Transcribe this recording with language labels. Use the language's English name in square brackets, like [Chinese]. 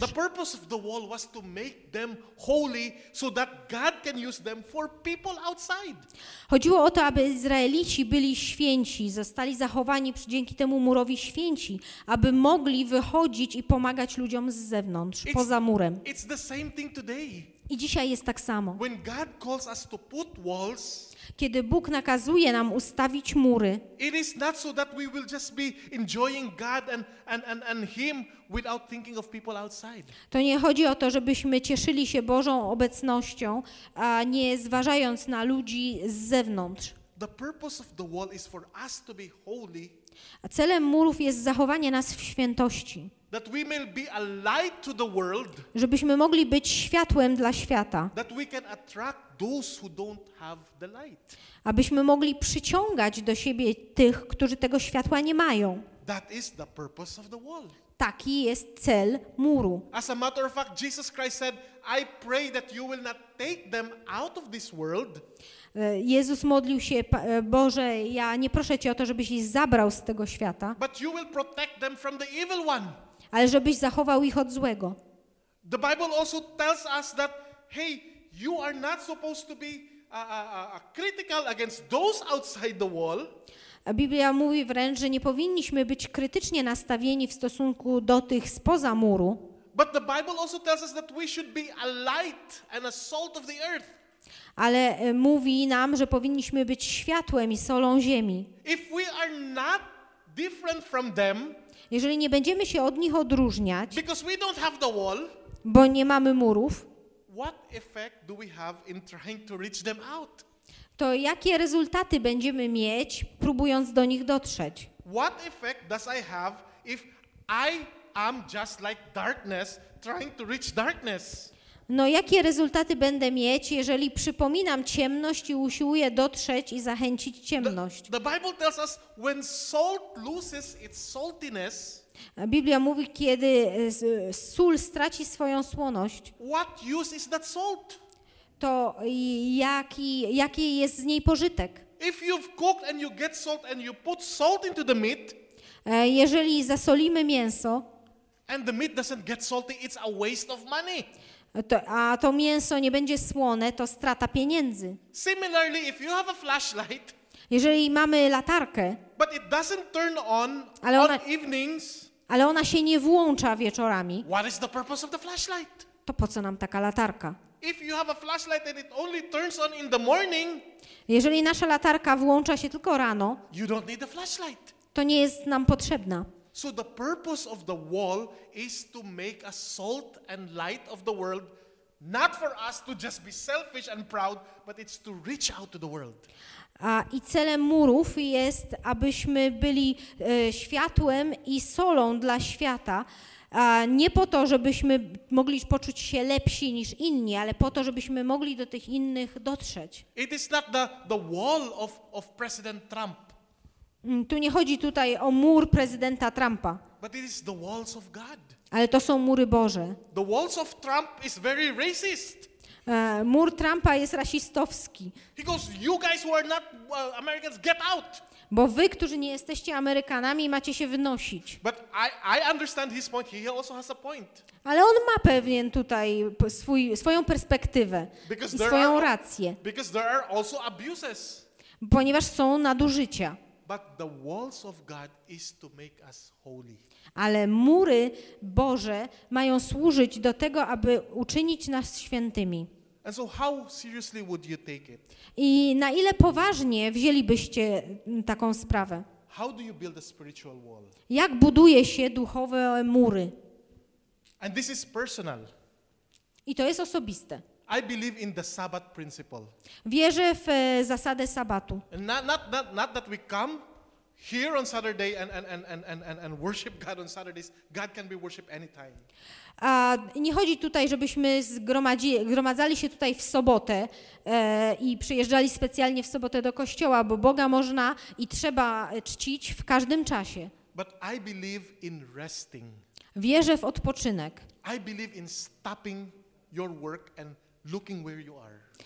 [English] The purpose of the wall was to make them holy so that God can use them for people outside. [Polish] Chodziło o to, aby Izraelici byli święci, zostali zachowani dzięki temu murowi święci, aby mogli wychodzić i pomagać ludziom z zewnątrz, poza murem. [English] It's the same thing today. [Polish] I dzisiaj jest tak samo. [English] When God calls us to put walls, [Polish] kiedy Bóg nakazuje nam ustawić mury, [English] it is not so that we will just be enjoying God and him without thinking of people outside. [Polish] To nie chodzi o to, żebyśmy cieszyli się Bożą obecnością, a nie zważając na ludzi z zewnątrz. [English] The purpose of the wall is for us to be holy. [Polish] A celem murów jest zachowanie nas w świętości. [English] That we may be a light to the world, [Polish] żebyśmy mogli być światłem dla świata. [English] That we can attract those who don't have the light. [Polish] Abyśmy mogli przyciągać do siebie tych, którzy tego światła nie mają. [English] That is the purpose of the wall. [Polish] Taki jest cel muru. [English] As a matter of fact, Jesus Christ said, I pray that you will not take them out of this world. [Polish] Jezus modlił się, Boże, ja nie proszę Cię o to, żebyś ich zabrał z tego świata. [English] But you will protect them from the evil one. [Polish] Ale żebyś zachował ich od złego. [English] The Bible also tells us that, hey, you are not supposed to be critical against those outside the wall. [Polish] Biblia mówi wręcz, że nie powinniśmy być krytycznie nastawieni w stosunku do tych spoza muru. [English] But the Bible also tells us that we should be a light and a salt of the earth. [Polish] Ale mówi nam, że powinniśmy być światłem i solą ziemi. [English] If we are not different from them, [Polish] jeżeli nie będziemy się od nich odróżniać, [English] because we don't have the wall, [Polish] bo nie mamy murów, [English] what effect do we have in trying to reach them out? [Polish] To jakie rezultaty będziemy mieć, próbując do nich dotrzeć? [English] What effect does I have if I am just like darkness, trying to reach darkness? [Polish] No, jakie rezultaty będę mieć, jeżeli przypominam ciemność i usiłuję dotrzeć i zachęcić ciemność? [English] The Bible tells us when salt loses its saltiness. [Polish] Biblia mówi, kiedy sól straci swoją słoność. [English] What use is that salt? [Polish] To jaki jest z niej pożytek? [English] If you've cooked and you get salt and you put salt into the meat. [Polish] Jeżeli zasolimy mięso. [English] And the meat doesn't get salty, it's a waste of money. [Polish] a to mięso nie będzie słone, to strata pieniędzy. [English] Similarly, if you have a flashlight, [Polish] jeżeli mamy latarkę, [English] but it doesn't turn on, [Polish] ale ona, [English] on evenings, [Polish] ale ona się nie włącza wieczorami, [English] what is the purpose of the flashlight? [Polish] To po co nam taka latarka? [English] If you have a flashlight and it only turns on in the morning, [Polish] jeżeli nasza latarka włącza się tylko rano, [English] you don't need the flashlight. [Polish] To nie jest nam potrzebna. [English] So the purpose of the wall is to make a salt and light of the world, not for us to just be selfish and proud, but it's to reach out to the world. [Polish] I celem murów jest, abyśmy byli światłem i solą dla świata. Nie po to, żebyśmy mogli poczuć się lepsi niż inni, ale po to, żebyśmy mogli do tych innych dotrzeć. [English] It is not the wall of President Trump. [Polish] Tu nie chodzi tutaj o mur prezydenta Trumpa. [English] But it is the walls of God. [Polish] Ale to są mury Boże. [English] The walls of Trump is very racist. [Polish] Mur Trumpa jest rasistowski. [English] He goes, you guys who are not Americans, get out. [Polish] Bo wy, którzy nie jesteście Amerykanami, macie się wynosić. [English] But I understand his point. He also has a point. [Polish] Ale on ma pewnie tutaj swoją perspektywę [English] because [Polish] i swoją rację. [English] Because there are also abuses. [Polish] Ponieważ są nadużycia. [English] But the walls of God is to make us holy. [Polish] Ale mury Boże mają służyć do tego, aby uczynić nas świętymi. [English] And so how seriously would you take it? [Polish] I na ile poważnie wzięlibyście taką sprawę? [English] How do you build a spiritual wall? [Polish] Jak buduje się duchowe mury? [English] And this is personal. [Polish] I to jest osobiste. [English] I believe in the Sabbath principle. [Polish] Wierzę w zasadę sabatu. [English] Not that we come here on Saturday and worship God on Saturdays. God can be worshiped anytime. [Polish] Nie chodzi tutaj, żebyśmy zgromadzali się tutaj w sobotę i przyjeżdżali specjalnie w sobotę do kościoła, bo Boga można i trzeba czcić w każdym czasie. [English] But I believe in resting. [Polish] Wierzę w odpoczynek. [English] I believe in stopping your work and looking where you are.